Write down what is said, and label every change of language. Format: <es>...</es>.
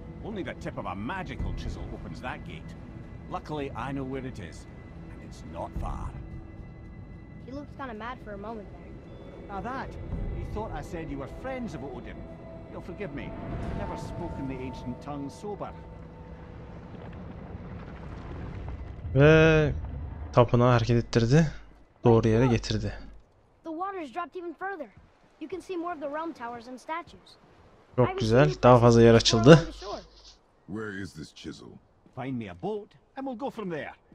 <en>Only the tip of a magical chisel opens that gate. Luckily, I know where it is, and it's not far. He looked kind of mad for a moment there. Now that, you thought I said you were friends of Odin. You'll forgive me, I've never spoken the ancient tongue sober.</en> <tr>Ve tapınağı hareket ettirdi, doğru yere getirdi.</tr> <en>The water's dropped even further. You can see more of the realm towers and statues.</en> <tr>Çok güzel, daha fazla yer açıldı.</tr> <en>Where is this chisel? Find me a boat and we'll go from there.</en>